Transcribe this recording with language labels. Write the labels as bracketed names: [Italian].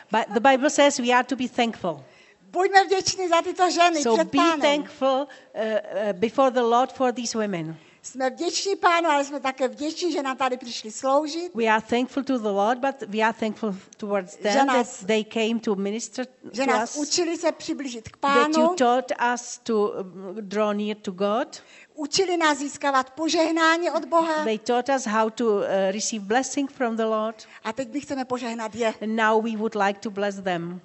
[English] But the Bible says we are to be thankful. [Czech] Buďme vděční za tyto ženy [English] so [Czech] před [English] be [Czech] pánem. [English] Thankful before the Lord for these women. [Czech] Jsme vděční pánu, ale jsme také vděční, že nám tady přišli sloužit. [English] We are thankful to the Lord, but we are thankful towards them [Czech] nás, [English] that they came to minister to us. [Czech] Že nás učili se přiblížit k pánu. [English] That you taught us to draw near to God. [Czech] Učili nás získávat požehnání od Boha. [English] They taught us how to receive blessing from the Lord. [Czech] A teď my chceme požehnat je. [English] And now we would like to bless them.